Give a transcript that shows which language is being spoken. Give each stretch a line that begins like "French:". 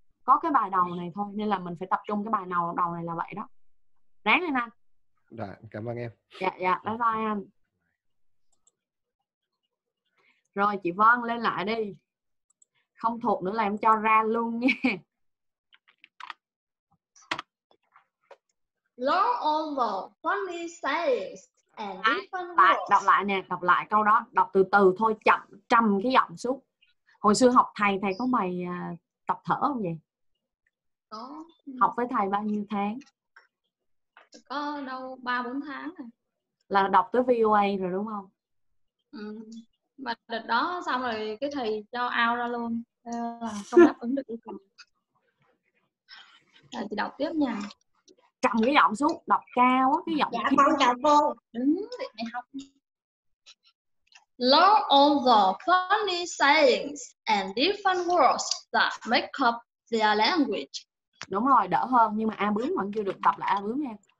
Vietnamese: Có cái bài đầu này thôi, nên là mình phải tập trung cái bài đầu này là vậy đó. Ráng lên anh. Dạ, cảm ơn em. Dạ, bye bye anh. Rồi, chị Vân lên lại đi. Không thuộc nữa là em cho ra luôn nha.
English: Learn all the funny sayings and different words.
Vietnamese: Lại, đọc lại nè, đọc lại câu đó. Đọc từ từ thôi, chậm trăm cái giọng xúc. Hồi xưa học thầy, thầy có mày tập thở không vậy? Có. Học với thầy bao nhiêu tháng? Có đâu 3-4 tháng rồi. Là đọc tới VOA rồi đúng không? Ừ. Mà đợt đó xong rồi cái thầy cho out ra luôn. Không đáp ứng được yêu cầu. Rồi thì đọc tiếp nha. Trầm cái giọng xuống, đọc cao quá cái giọng. Dạ, bao giờ vô. Đúng, mày học.
English: Learn all the funny sayings and different words that make up their language.
Vietnamese: Đúng rồi, đỡ hơn, nhưng mà A bướm vẫn chưa được, đọc lại A bướm nha.